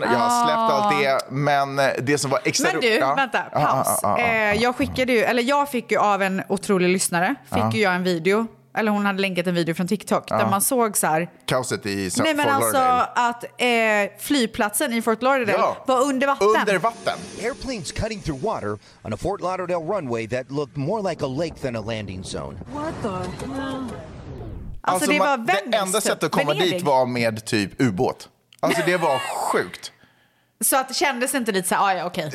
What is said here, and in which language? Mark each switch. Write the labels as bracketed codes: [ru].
[sv] Jag har släppt allt det, men det som var extra... Men du, vänta, paus. Jag skickade ju... Eller jag fick ju av en otrolig lyssnare, fick ju jag en video. Eller hon hade länkat en video från TikTok där man såg så här... Kaoset i Fort Lauderdale. Nej, men alltså att flygplatsen i Fort Lauderdale var under vatten. Under vatten. [en] Airplanes cutting through water on a Fort Lauderdale runway that looked more like a lake than a landing zone. [sv] What the hell? Alltså det var Venice, det enda sättet att komma dit var med typ ubåt. Alltså det var sjukt. Så att det kändes inte lite så här, ja, okej.